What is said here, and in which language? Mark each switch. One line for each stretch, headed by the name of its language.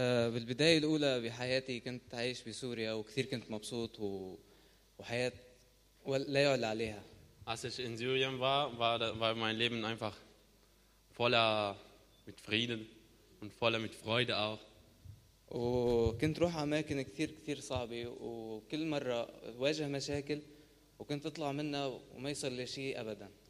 Arabic: بالبداية الأولى بحياتي كنت عايش بسوريا وكثير كنت مبسوط وحياة لا يعلى عليها.
German: Als ich in Syrien war, war mein Leben einfach voller mit Frieden und voller mit Freude auch.
Arabic: وكنت روح أماكن كثير كثير صعبة وكل مرة واجه مشاكل وكنت أطلع منها وما يصير لي شيء أبدا.